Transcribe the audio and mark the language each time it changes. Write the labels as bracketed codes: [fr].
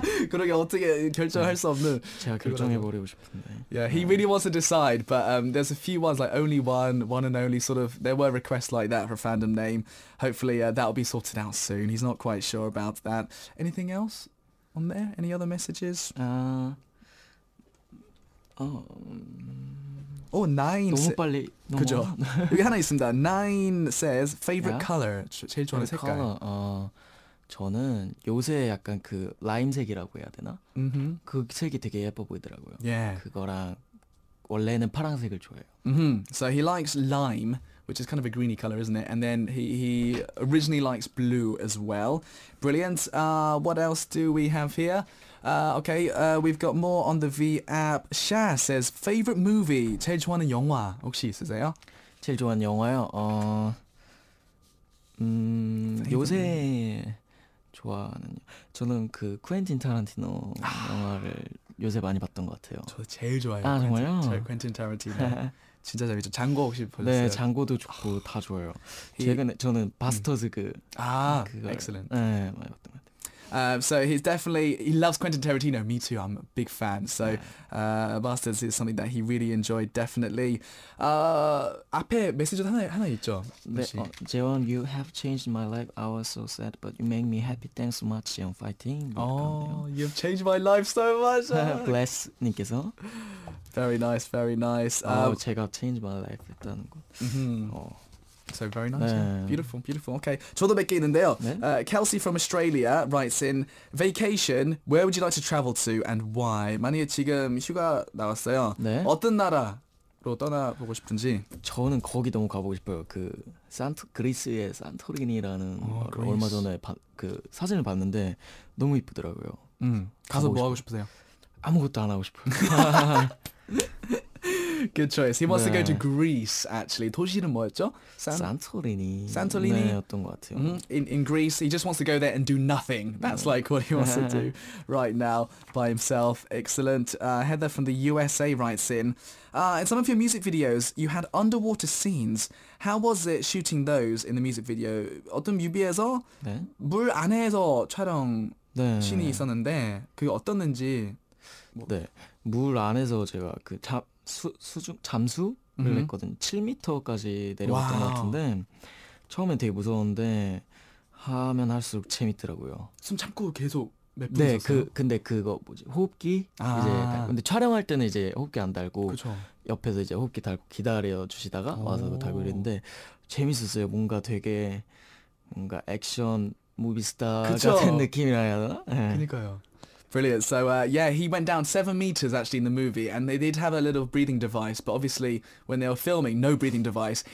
[ko] 그러게 어떻게 결정할 수 없는. 제가 결정해버리고 싶은데. [en] Yeah, he really wants to decide, but there's a few ones like Only One, One and Only, sort of, there were requests like that for a fandom name. Hopefully that'll be sorted out soon. He's not quite sure about that. Anything else on there? Any other messages? Oh, nine. [ko] 너무 빨리. 너무 그죠. 여기 하나 있습니다. [en] Nine says favorite yeah? color. [ko] 제일 좋아하는 색깔. Color, 저는 요새 약간 그 라임색이라고 해야 되나? 그 색이 되게 예뻐 보이더라고요. [en] Yeah. [ko] 그거랑 원래는 파란색을 좋아해요. [en] So he likes lime, which is kind of a greeny color, isn't it? And then he originally likes blue as well. Brilliant. What else do we have here? Okay, we've got more on the V app. Sha says favorite movie. [ko] 제일 좋아하는 영화 혹시 있으세요? 제일 좋아하는 영화요. 요새 좋아하는 저는 그 쿠엔틴 타란티노 영화를 요새 많이 봤던 것 같아요. 저 제일 좋아해요. 아 정말요? 저 쿠엔틴 타란티노 진짜 재밌죠. 장고 혹시 보셨어요? 네, 장고도 좋고 다 좋아요. 최근에 저는 바스터즈 그걸 [en] excellent. [ko] 네, 많이 봤던 것 같아요. [en] So he's definitely, he loves Quentin Tarantino, me too, I'm a big fan. So Bastards is something that he really enjoyed, definitely. [ko] 앞에 메시지도 하나 있죠? [en] 네, Jaewon, you have changed my life, I was so sad, but you make me happy, thanks so much, I'm fighting. Oh, you've changed my life so much. [ko] Bless 님께서. [en] Very nice, very nice. [ko] 제가 [en] changed my life [ko] 했다는 것. [en] So very nice. 네. Yeah. Beautiful, beautiful. Okay. [ko] 저도 몇 개 있는데요. 네? [en] Kelsey from Australia writes in, vacation, where would you like to travel to and why? [ko] 만약에 지금 휴가 나왔어요. 네? 어떤 나라로 떠나보고 싶은지. 저는 거기 너무 가보고 싶어요. 그 그리스의 산토리니라는 그리스. 얼마 전에 그 사진을 봤는데 너무 이쁘더라고요. 가서 뭐 하고 싶으세요? 아무것도 안 하고 싶어요. [en] Good choice. He wants to go to Greece, actually. [ko] 도시는 뭐였죠? [en] Santorini. Santorini? [ko] 네, 어떤 것 같아요. [en] In Greece, he just wants to go there and do nothing. That's like what he wants to do right now by himself. Excellent. Heather from the USA writes in some of your music videos, you had underwater scenes. How was it shooting those in the music video? [ko] 어떤 뮤비에서 네? 물 안에서 촬영 네. 신이 있었는데 그게 어떤지 네. 물 안에서 제가 그 잠수를 했거든요. 7m까지 내려왔던 것 같은데 처음엔 되게 무서웠는데 하면 할수록 재밌더라고요. 숨 참고 계속 몇 분 썼어요? 그 근데 그거 뭐지? 호흡기? 아. 이제 근데 촬영할 때는 이제 호흡기 안 달고 그쵸. 옆에서 이제 호흡기 달고 기다려 주시다가 와서 달고 이랬는데 재밌었어요. 뭔가 되게 뭔가 액션 무비스타 같은 느낌이라 해야 하나? 네. 그니까요. Brilliant. [en] So yeah, he went down 7 meters actually in the movie, and they did have a little breathing device. But obviously, when they were filming, no breathing device.